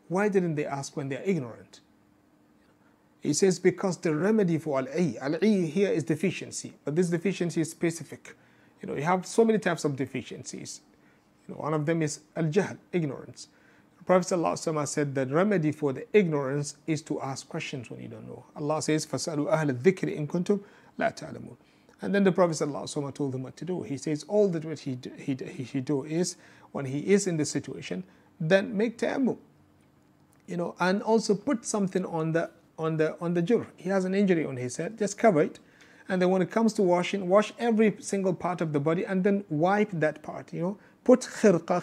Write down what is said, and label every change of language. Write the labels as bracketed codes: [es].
[en] Why didn't they ask when they are ignorant? He says, because the remedy for al-'i here is deficiency. But this deficiency is specific. You know, you have so many types of deficiencies. You know, one of them is al-jahl, ignorance. The Prophet said, the remedy for the ignorance is to ask questions when you don't know. Allah says, [ar] فَسَأَلُوا أَهْلَ الذِّكْرِ إِن كُنْتُمْ لَا تَعْلَمُونَ. [en] And then the Prophet ﷺ told him what to do. He says, all that what he do is, when he is in this situation, then make ta'ammum. You know, and also put something on the jurh. He has an injury on his head, just cover it. And then when it comes to washing, wash every single part of the body and then wipe that part, you know. Put khirqa.